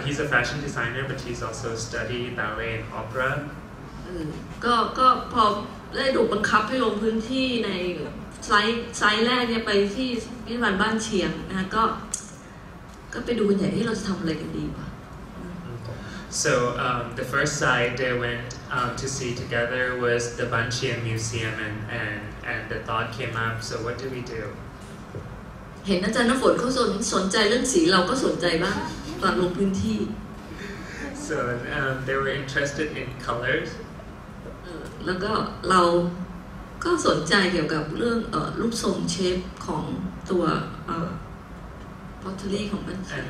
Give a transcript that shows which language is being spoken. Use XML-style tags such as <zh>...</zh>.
<en>He's a fashion designer, but he's also studying ballet and opera.</en> <th>ก็พอได้ถูกบังคับให้ลงพื้นที่ในไซต์แรกเนี่ยไปที่พิพิธภัณฑ์บ้านเชียงนะก็ไปดูกันใหญ่ที่เราจะทำอะไรกันดีวะ</th> <en>So the first site they went to see together was the Banchian Museum, and the thought came up. So what do we do?</en> <th>เห็นอาจารย์น้ำฝนเขาสนใจเรื่องสีเราก็สนใจบ้างตอนลงพื้นที่</th> <en>So they were interested in colors.</en> <th>แล้วก็เราก็สนใจเกี่ยวกับเรื่องรูปทรงเชฟของตัวpottery ของ Banchian</th>